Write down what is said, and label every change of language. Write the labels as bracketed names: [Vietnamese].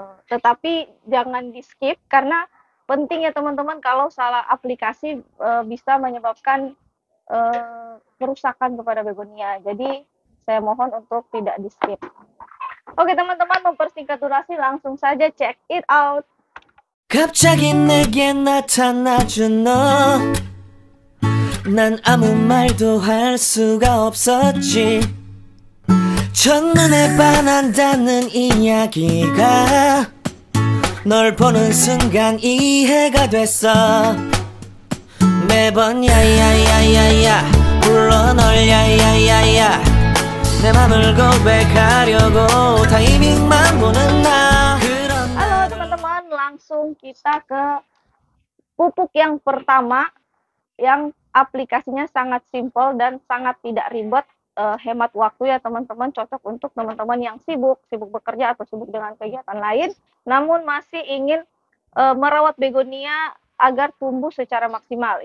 [Indonesian] Tetapi jangan di skip karena penting ya teman-teman, kalau salah aplikasi bisa menyebabkan kerusakan kepada begonia. Jadi saya mohon untuk tidak di skip. Oke teman-teman, mempersingkat durasi langsung saja [English] check it out. [Korean] 갑자기 내게 나타나죠 너. 난 아무 말도 할 수가 없었지. 첫눈에 반한다는 이야기가 널 보는 순간 이해가 됐어. 매번 야야야야야 불러 널 야야야야. 내 맘을 고백하려고 타이밍만 보는 나. [Indonesian] Halo teman-teman, langsung kita ke pupuk yang pertama yang aplikasinya sangat simpel dan sangat tidak ribet, hemat waktu ya teman-teman, cocok untuk teman-teman yang sibuk, sibuk bekerja atau sibuk dengan kegiatan lain, namun masih ingin merawat begonia agar tumbuh secara maksimal.